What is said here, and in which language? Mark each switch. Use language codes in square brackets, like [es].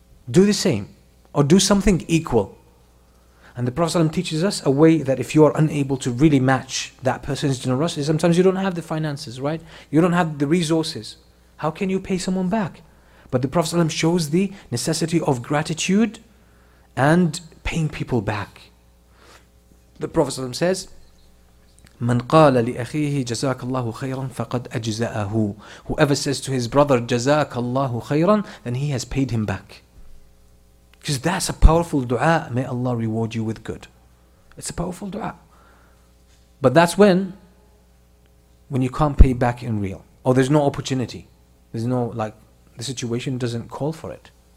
[en] Do the same. Or do something equal. And the Prophet ﷺ teaches us a way that if you are unable to really match that person's generosity, sometimes you don't have the finances, right? You don't have the resources. How can you pay someone back? But the Prophet ﷺ shows the necessity of gratitude and paying people back. The Prophet ﷺ says, [ar] مَنْ قَالَ لِأَخِيهِ جَزَاكَ اللَّهُ خَيْرًا فَقَدْ أَجْزَأَهُ. [en] Whoever says to his brother, [ar] جَزَاكَ اللَّهُ خَيْرًا, [en] then he has paid him back. Because that's a powerful dua. May Allah reward you with good. It's a powerful dua. But that's when you can't pay back in real. Or there's no opportunity. There's no, like, the situation doesn't call for it.